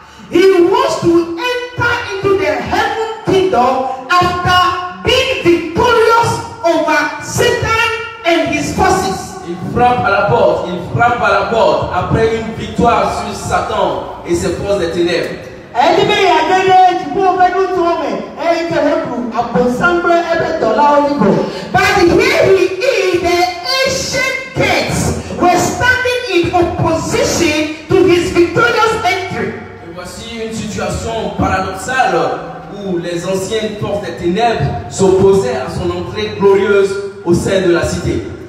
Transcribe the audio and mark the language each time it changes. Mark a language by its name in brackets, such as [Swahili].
[English] He wants to enter into the heaven kingdom after being victorious over Satan and his forces. [French] Il frappe à la porte après une victoire sur Satan et ses forces des ténèbres. [English] But here he is, the ancient gates were standing in opposition to his victorious entry. [French] Et voici une situation paradoxale où les anciennes portes des ténèbres s'opposaient à son entrée glorieuse au sein de la cité.